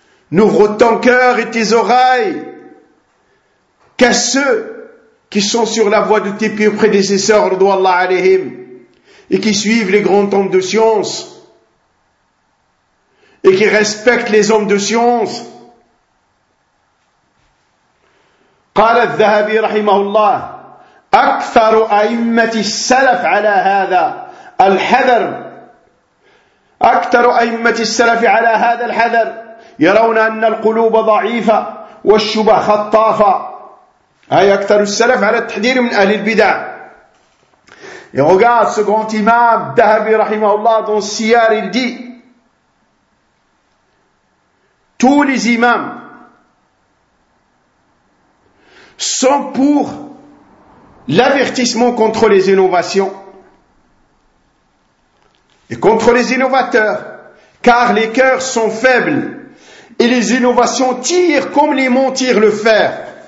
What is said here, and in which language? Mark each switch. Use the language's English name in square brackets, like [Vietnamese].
[French] N'ouvre ton cœur et tes oreilles qu'à ceux qui sont sur la voie de tes pieux prédécesseurs, radhiallahu alayhim, et qui suivent les grands hommes de science, et qui respectent les hommes de science. [Arabic] قال الذهبي رحمه الله أكثر أئمة السلف على هذا الحذر أكثر أئمة السلف على هذا الحذر يرون أن القلوب ضعيفة والشبه خطافة هاي أكثر السلف على التحذير من أهل البدع. [French] Et regarde ce grand imam الذهبي [Arabic] رحمه الله [French] dans Siyar, il dit tous les imams sont pour l'avertissement contre les innovations et contre les innovateurs, car les cœurs sont faibles et les innovations tirent comme les monts tirent le fer.